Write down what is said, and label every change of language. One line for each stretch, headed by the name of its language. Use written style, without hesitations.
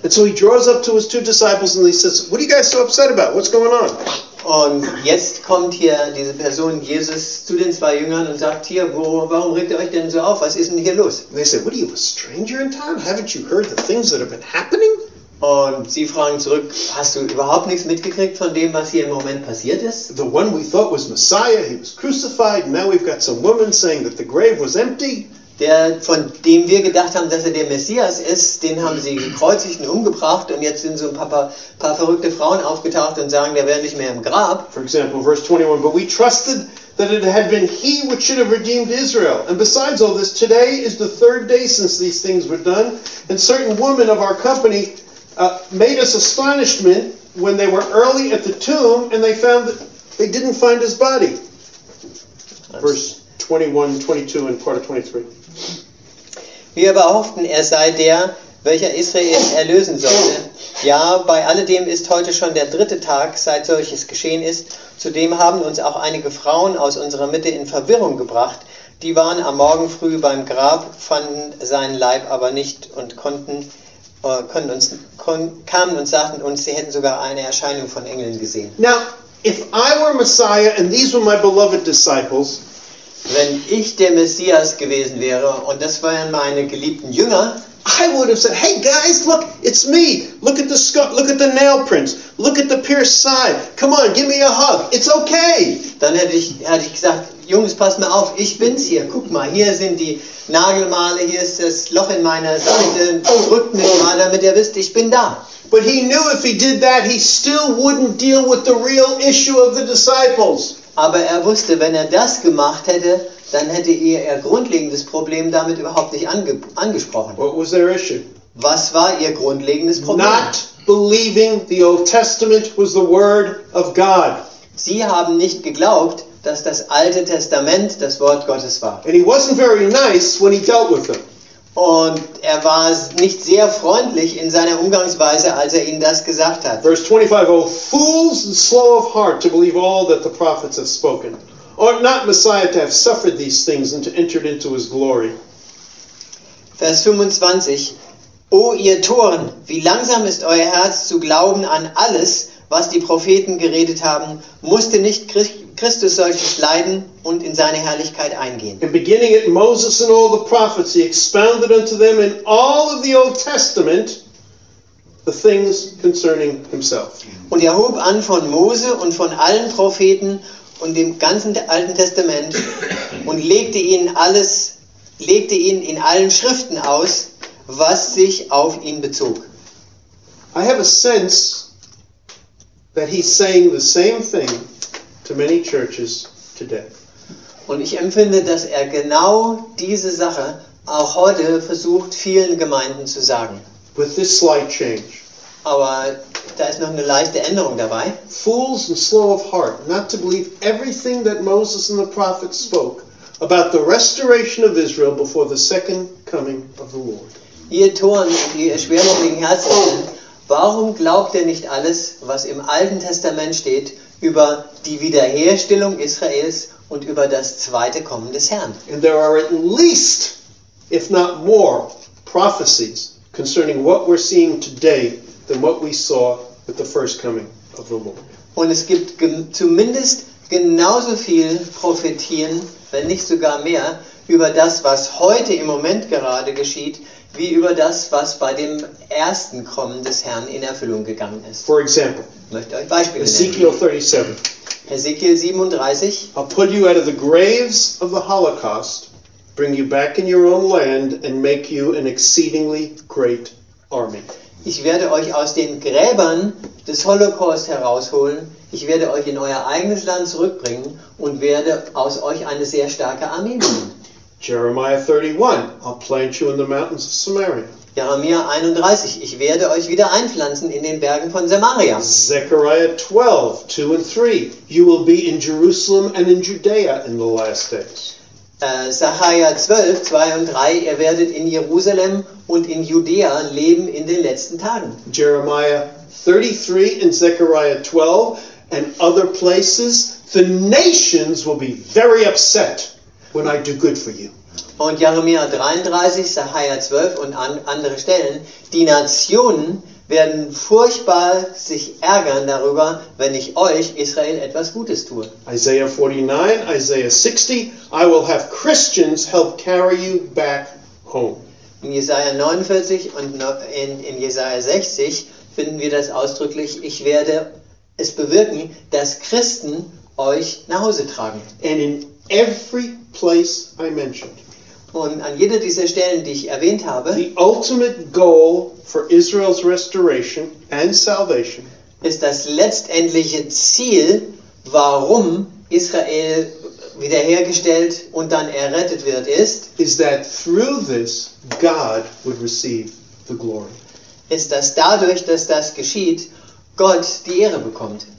English: And so he draws up to his two disciples and he says, what are you guys so upset about? What's going on?
German: Und jetzt kommt hier diese Person, Jesus, zu den zwei Jüngern und sagt, hier, warum regt ihr euch denn so auf? Was ist denn hier los?
English: And they say, what are you, a stranger in town? Haven't you heard the things that have been happening?
German: Und sie fragen zurück, hast du überhaupt nichts mitgekriegt von dem, was hier im Moment passiert ist?
English: The one we thought was Messiah, he was crucified. Now we've got some woman saying that the grave was empty.
German: Der, von dem wir gedacht haben, dass er der Messias ist, den haben sie gekreuzigt und umgebracht und jetzt sind so ein paar verrückte Frauen aufgetaucht und sagen, der wäre nicht mehr im Grab.
English: For example, verse 21, but we trusted that it had been he which should have redeemed Israel. And besides all this, today is the third day since these things were done. And certain women of our company made us astonishment when they were early at the tomb and they found that they didn't find his body. Verse 21, 22 and part of 23.
German: Wir aber hofften, er sei der, welcher Israel erlösen sollte. Ja, bei alledem ist heute schon der dritte Tag, seit solches geschehen ist. Zudem haben uns auch einige Frauen aus unserer Mitte in Verwirrung gebracht. Die waren am Morgen früh beim Grab, fanden seinen Leib aber nicht und kamen und sagten uns, sie hätten sogar eine Erscheinung von Engeln gesehen.
English: Now, if I were Messiah and these were my beloved disciples,
German: wenn ich der Messias gewesen wäre und das wären meine geliebten Jünger,
English: I would have said, hey guys, look, it's me. Look at the scar, look at the nail prints. Look at the pierced side. Come on, give me a hug. It's okay.
German: Dann hätte ich gesagt, Jungs, passt mal auf, ich bin's hier. Guck mal, hier sind die Nagelmale, hier ist das Loch in meiner Seite. Drückt mich mal, damit ihr wisst, ich bin da.
English: But he knew if he did that, he still wouldn't deal with the real issue of the disciples.
German: Aber er wusste, wenn er das gemacht hätte, dann hätte er grundlegendes Problem damit überhaupt nicht angesprochen.
English: What was their issue?
German: Was war ihr grundlegendes Problem?
English: Not believing the Old Testament was the word of God.
German: Sie haben nicht geglaubt, dass das Alte Testament das Wort Gottes war.
English: And he wasn't very nice when he dealt with them.
German: Und er war nicht sehr freundlich in seiner Umgangsweise, als er ihnen das gesagt hat.
English: Verse 25, O fools and slow of heart to believe all that the prophets have spoken. Ought not Messiah to have suffered these things and to enter into his glory?
German: Vers 25, O ihr Toren, wie langsam ist euer Herz zu glauben an alles, was die Propheten geredet haben, musste nicht Christus solches leiden und in seine Herrlichkeit eingehen.
English: And beginning at Moses and all the prophets, he expounded unto them in all of the Old Testament the things concerning himself.
German: Und er hob an von Mose und von allen Propheten und dem ganzen Alten Testament und legte ihnen in allen Schriften aus, was sich auf ihn bezog.
English: I have a sense that he's saying the same thing to many churches today.
German: Und ich empfinde, dass er genau diese Sache auch heute versucht, vielen Gemeinden zu sagen.
English: With this slight change.
German: Aber da ist noch eine leichte Änderung dabei.
English: Fools and slow of heart, not to believe everything that Moses and the prophets spoke about the restoration of Israel before the second coming of the Lord.
German: Ihr Toren, ihr schwermütigen Herzen, warum glaubt ihr nicht alles, was im Alten Testament steht, über die Wiederherstellung Israels und über das zweite Kommen des Herrn?
English: And there are at least, if not more, prophecies concerning what we're seeing today than what we saw with the first coming of the Lord.
German: Und es gibt zumindest genauso viel Prophetien, wenn nicht sogar mehr, über das, was heute im Moment gerade geschieht, wie über das, was bei dem ersten Kommen des Herrn in Erfüllung gegangen ist.
English: For example,
German: ich möchte euch Beispiele nennen. Ezekiel 37.
English: Ezekiel 37. I'll put you out of the graves of the Holocaust, bring you back in your own land and make you an exceedingly great army.
German: Ich werde euch aus den Gräbern des Holocaust herausholen. Ich werde euch in euer eigenes Land zurückbringen und werde aus euch eine sehr starke Armee machen.
English: Jeremiah 31, I'll plant you in the mountains of Samaria.
German: Jeremia 31, ich werde euch wieder einpflanzen in den Bergen von Samaria.
English: Zechariah 12, 2 and 3, you will be in Jerusalem and in Judea in the last days.
German: Zechariah 12, 2 und 3, ihr werdet in Jerusalem und in Judäa leben in den letzten Tagen.
English: Jeremiah 33 and Zechariah 12 and other places, the nations will be very upset when I do good for you.
German: Und Jeremia 33, Zechariah 12 und andere Stellen, die Nationen werden furchtbar sich ärgern darüber, wenn ich euch, Israel, etwas Gutes tue.
English: Isaiah 49, Isaiah 60, I will have Christians help carry you back home.
German: In Jesaja 49 und in Jesaja 60 finden wir das ausdrücklich, ich werde es bewirken, dass Christen euch nach Hause tragen.
English: And in every place I mentioned.
German: Und an jeder dieser Stellen, die ich erwähnt habe,
English: the ultimate goal for Israel's restoration and salvation
German: ist das letztendliche Ziel, warum Israel wiederhergestellt und dann errettet wird, ist,
English: is that through this God would receive the glory.
German: Ist, dass dadurch, dass das geschieht, Gott die Ehre bekommt.